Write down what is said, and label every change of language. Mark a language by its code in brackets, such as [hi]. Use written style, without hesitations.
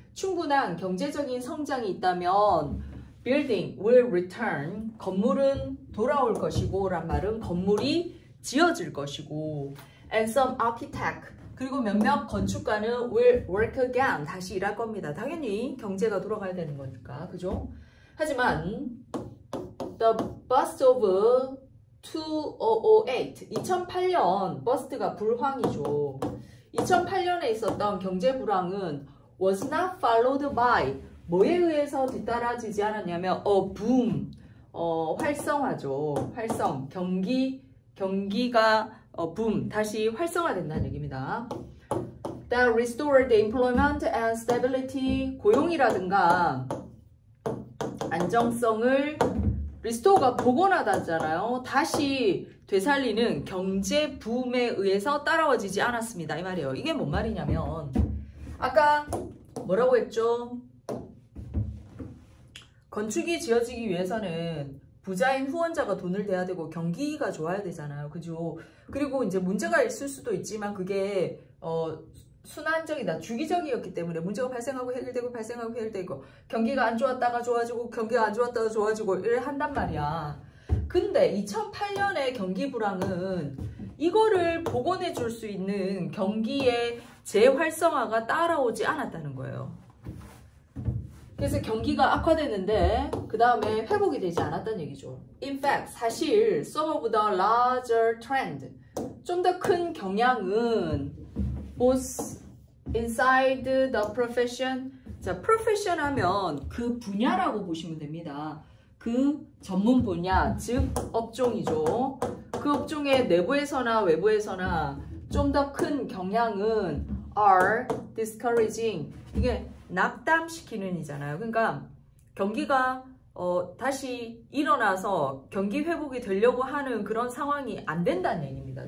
[ko] 충분한 경제적인 성장이 있다면 [en] Building will return. [ko] 건물은 돌아올 것이고, 란 말은 건물이 지어질 것이고. [en] And some architect. [ko] 그리고 몇몇 건축가는 [en] will work again. [ko] 다시 일할 겁니다. 당연히 경제가 돌아가야 되는 거니까. 그죠? [en] 하지만, the bust of 2008. [ko] 2008년 버스트가 불황이죠. 2008년에 있었던 경제 불황은 [en] was not followed by [ko] 뭐에 의해서 뒤따라지지 않았냐면, 붐, 활성화죠. 활성, 경기가, 붐, 다시 활성화된다는 얘기입니다. [en] That restored employment and stability, [ko] 고용이라든가, 안정성을, [en] restore가 [ko] 복원하다잖아요. 다시 되살리는 경제 붐에 의해서 따라워지지 않았습니다. 이 말이에요. 이게 뭔 말이냐면, 아까 뭐라고 했죠? 건축이 지어지기 위해서는 부자인 후원자가 돈을 대야 되고 경기가 좋아야 되잖아요. 그죠? 그리고 이제 문제가 있을 수도 있지만 그게 순환적이다. 주기적이었기 때문에 문제가 발생하고 해결되고 발생하고 해결되고 경기가 안 좋았다가 좋아지고 경기가 안 좋았다가 좋아지고 이래 한단 말이야. 근데 2008년의 경기 불황은 이거를 복원해 줄수 있는 경기의 재활성화가 따라오지 않았다는 거예요. 그래서 경기가 악화됐는데 그 다음에 회복이 되지 않았다는 얘기죠. [en] In fact, [ko] 사실 [en] some of the larger trend, [ko] 좀더큰 경향은 [en] both inside the profession. [ko] 자, profession 하면 그 분야라고 보시면 됩니다. 그 전문 분야, 즉 업종이죠. 그 업종의 내부에서나 외부에서나 좀더큰 경향은 [en] are discouraging. [ko] 이게 낙담시키는 이잖아요. 그러니까 경기가 다시 일어나서 경기 회복이 되려고 하는 그런 상황이 안 된다는 얘기입니다.